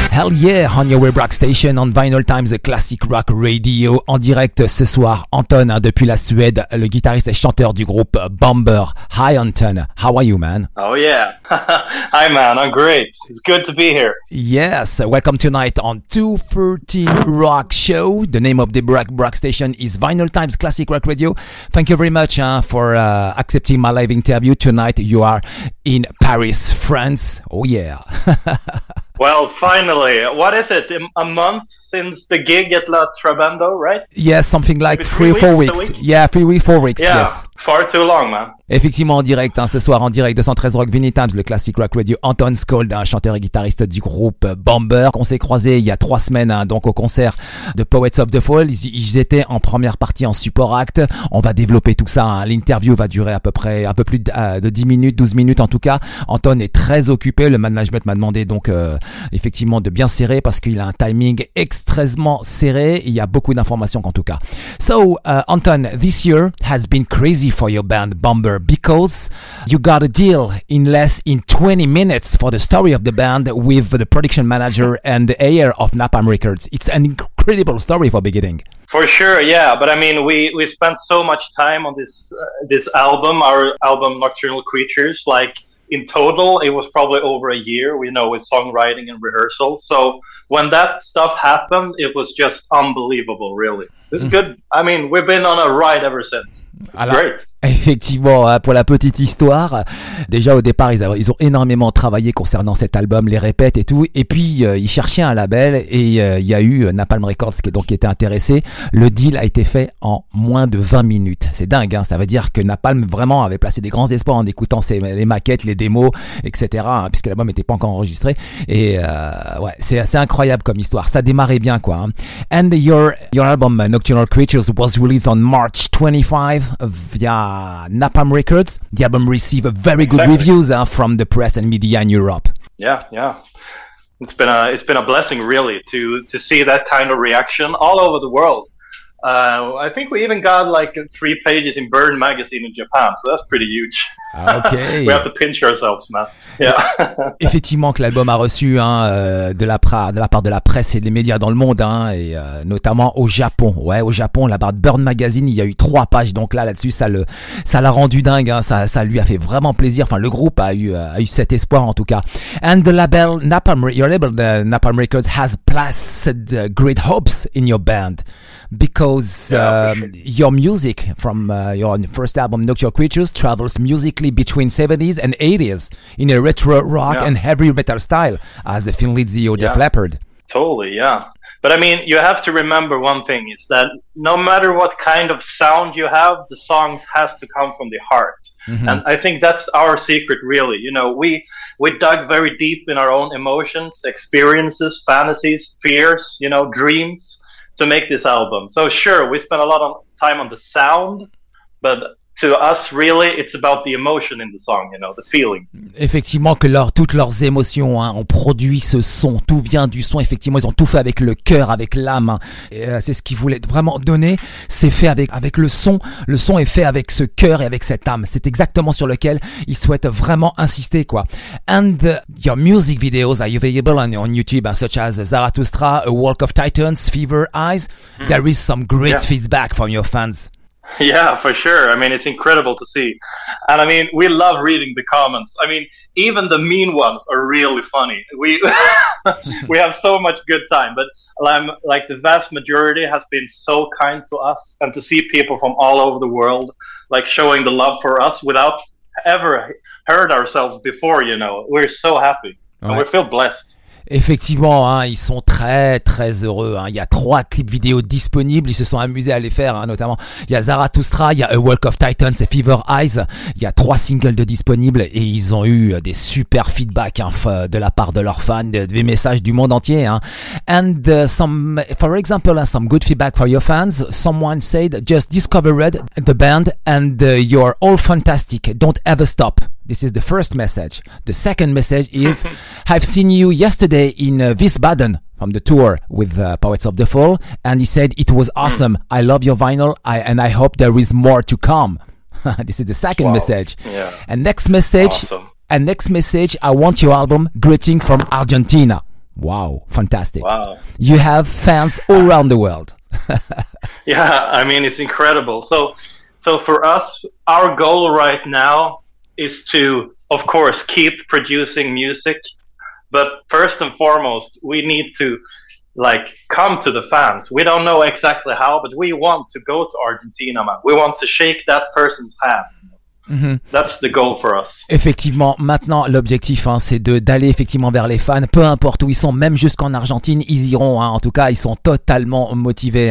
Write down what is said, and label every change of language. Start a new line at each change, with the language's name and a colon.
English: Yeah, on your web rock station, on Vinyl Times, the Classic Rock Radio,
French: en direct ce soir, Anton, hein, depuis la Suède, le guitariste et chanteur du groupe Bomber.
English: Hi Anton, how are you man? Oh yeah, hi man, I'm great, it's good to be here. Yes, welcome tonight on 213 Rock Show. The name of the rock station is Vinyl Times Classic Rock Radio. Thank you very much for accepting my live interview tonight. You are in Paris, France. Oh yeah. Well, finally, what is it? A month since the gig at La Trabando, right? Yes, yeah, something like three or four weeks. Yes. Far too long, man.
French: Effectivement, en direct, hein, ce soir, en direct, 213 Rock, Vinyl Times, le Classic Rock Radio, Anton Sokold, un chanteur et guitariste du groupe Bomber, qu'on s'est croisé il y a 3 semaines, hein, donc au concert de Poets of the Fall. Ils étaient en première partie en support act. On va développer tout ça, hein. L'interview va durer à peu près, un peu plus de 10 minutes, 12 minutes en tout cas. Anton est très occupé. Le management m'a demandé donc, effectivement, de bien serrer parce qu'il a un timing extrêmement serré. Il y a beaucoup d'informations en tout cas.
English: So, Anton, this year has been crazy for your band Bomber, because you got a deal in less than 20 minutes for the story of the band with the production manager and the heir of Napalm Records. It's an incredible story for beginning. For sure, yeah. But I mean, we spent so much time on this album, our album Nocturnal Creatures. Like, in total, it was probably over a year, you know, with songwriting and rehearsal. So when that stuff happened, it was just unbelievable, really. It's good. I mean, we've been on a ride ever since.
French: Alors, great. Effectivement, pour la petite histoire, déjà au départ, ils ont énormément travaillé concernant cet album, les répètes et tout. Et puis, ils cherchaient un label et il y a eu Napalm Records qui donc était intéressé. Le deal a été fait en moins de 20 minutes. C'est dingue, hein. Ça veut dire que Napalm vraiment avait placé des grands espoirs en écoutant les maquettes, les démos, etc. Hein, puisque l'album n'était pas encore enregistré. Et ouais, c'est assez incroyable comme histoire. Ça démarrait bien, quoi. Hein.
English: And your album Nocturnal Creatures was released on March 25 via Napalm Records. The album received very good reviews from the press and media in Europe. Yeah. It's been a blessing, really, to see that kind of reaction all over the world. I think we even got like 3 pages in Burn magazine in Japan, so that's pretty huge. Okay. We have to pinch ourselves, man. Yeah.
French: Effectivement, que l'album a reçu de la part de la presse et des médias dans le monde, hein, et notamment au Japon. Ouais, au Japon, la barre de Burn magazine, il y a eu 3 pages. Donc là-dessus, ça l'a rendu dingue. Hein, ça lui a fait vraiment plaisir. Enfin, le groupe a eu cet espoir en tout cas.
English: And the label Napalm Records has placed great hopes in your band. Because your music from your first album, Nocturnal Creatures, travels musically between 70s and 80s in a retro rock and heavy metal style, as the Finn Lizzy or Def Leppard. Totally, yeah. But I mean, you have to remember one thing, is that no matter what kind of sound you have, the songs has to come from the heart. Mm-hmm. And I think that's our secret, really. You know, we dug very deep in our own emotions, experiences, fantasies, fears, you know, dreams, to make this album. So sure, we spent a lot of time on the sound, but to us, really, it's about the emotion in the song, you know, the feeling.
French: Effectivement, que toutes leurs émotions, hein, ont produit ce son. Tout vient du son. Effectivement, ils ont tout fait avec le cœur, avec l'âme. Hein. Et, c'est ce qu'ils voulaient vraiment donner. C'est fait avec le son. Le son est fait avec ce cœur et avec cette âme. C'est exactement sur lequel ils souhaitent vraiment insister, quoi.
English: And your music videos are available on YouTube, such as Zarathustra, A Walk of Titans, Fever Eyes. Mm. There is some great feedback from your fans. Yeah, for sure. I mean, it's incredible to see. And I mean, we love reading the comments. I mean, even the mean ones are really funny. We we have so much good time. But like the vast majority has been so kind to us, and to see people from all over the world like showing the love for us without ever heard ourselves before, you know. We're so happy. Ouais. And we feel blessed.
French: Effectivement, hein, ils sont très très heureux. Hein. Il y a 3 clips vidéo disponibles. Ils se sont amusés à les faire, hein, notamment. Il y a Zarathustra, il y a A Walk of Titans et Fever Eyes. Il y a 3 singles de disponibles et ils ont eu des super feedbacks, hein, de la part de leurs fans, des messages du monde entier. Hein.
English: And some good feedback for your fans. Someone said, just discovered the band and you're all fantastic. Don't ever stop. This is the first message. The second message is, I've seen you yesterday in Wiesbaden from the tour with Poets of the Fall. And he said, it was awesome. I love your vinyl and I hope there is more to come. This is the second message. Yeah. And next message, awesome. And next message, I want your album, Greeting from Argentina. Wow, fantastic. Wow. You have fans all around the world. Yeah, I mean, it's incredible. So for us, our goal right now is to, of course, keep producing music. But first and foremost, we need to, like, come to the fans. We don't know exactly how, but we want to go to Argentina, man. We want to shake that person's hand. Mm-hmm. That's the goal for us.
French: Effectivement, maintenant, l'objectif, hein, c'est d'aller effectivement vers les fans. Peu importe où ils sont, même jusqu'en Argentine, ils iront. Hein. En tout cas, ils sont totalement motivés.